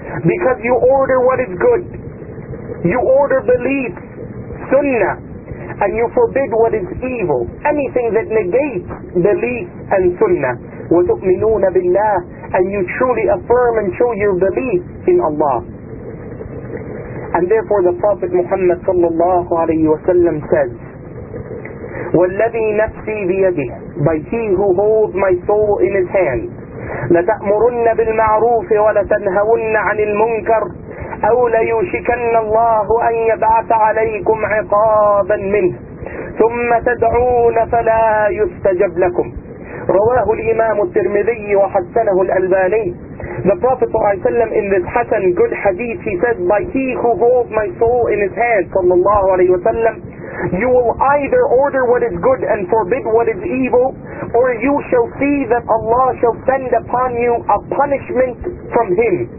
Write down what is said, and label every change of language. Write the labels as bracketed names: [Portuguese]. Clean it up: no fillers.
[English] Because you order what is good, you order belief, sunnah, and you forbid what is evil, anything that negates belief and sunnah. [Arabic] وَتُؤْمِنُونَ بِاللَّهِ, [English] and you truly affirm and show your belief in Allah. And therefore the Prophet Muhammad sallallahu alayhi wa sallam says, [Arabic] وَالَّذِي نَفْسِي بِيَدِهِ, [English] by he who holds my soul in his hand, [Arabic] لَتَأْمُرُنَّ بِالْمَعْرُوفِ وَلَتَنْهَوُنَّ عَنِ الْمُنْكَرِ أَوْ لَيُشِكَنَّ اللَّهُ أَنْ يَبْعَثَ عَلَيْكُمْ عِقَابًا مِنْهِ ثُمَّ تَدْعُونَ فَلَا يُسْتَجَبْ لَكُمْ. رواه الإمام الترمذي وحسنه الألباني. [English] The Prophet ﷺ in this Hassan, good hadith, he says, by he who holds my soul in his hand, sallallahu alayhi wasallam, you will either order what is good and forbid what is evil, or you shall see that Allah shall send upon you a punishment from him.